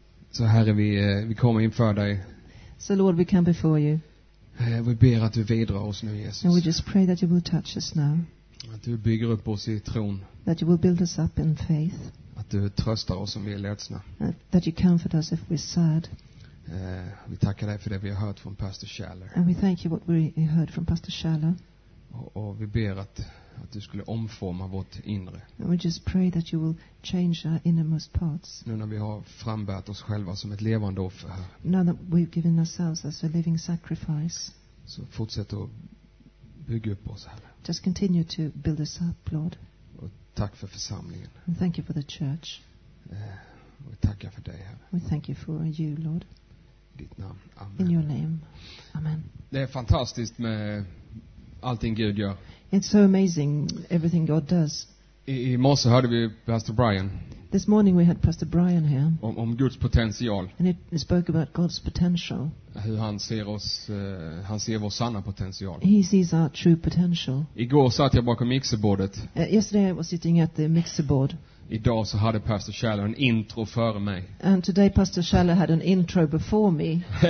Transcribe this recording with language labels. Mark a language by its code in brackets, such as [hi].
[sv] Så Herre, vi kommer inför dig. [en] So Lord, we come before you. [sv] Vi ber att du vidrar oss nu, Jesus. [en] And we just pray that you will touch us now. [sv] Att du bygger upp oss i tron. [en] That you will build us up in faith. [sv] Att du tröstar oss om vi är ledsna. [en] That you comfort us if we're sad. [sv] Vi tackar dig för det vi har hört från Pastor Schaller. [en] And we thank you what we heard from Pastor Schaller. [sv] Och vi ber att du skulle omforma vårt inre. [en] And we just pray that you will change our innermost parts. [sv] Nu när vi har frambärt oss själva som ett levande offer. [en] Now that we've given ourselves as a living sacrifice. [sv] Så fortsätt att bygga upp oss här. [en] Just continue to build us up, Lord. [sv] Tack för församlingen. [en] And thank you for the church. [sv] Vi tackar för dig här. [en] We thank you for you, Lord. [sv] I ditt namn. Amen. [en] In your name. Amen. [sv] Det är fantastiskt med allting Gud gör. [en] It's so amazing everything God does. [sv] I morse hörde vi Pastor Brian. [en] This morning we had Pastor Brian here. [sv] Om Guds potential. [en] And he spoke about God's potential. [sv] Hur han ser oss, han ser vår sanna potential. [en] He sees our true potential. [sv] Igår satt jag bakom mixerbordet. [en] Yesterday I was sitting at the mixer board. [sv] Idag så hade Pastor Schaller en intro före mig. [en] And today Pastor Schaller had an intro before me.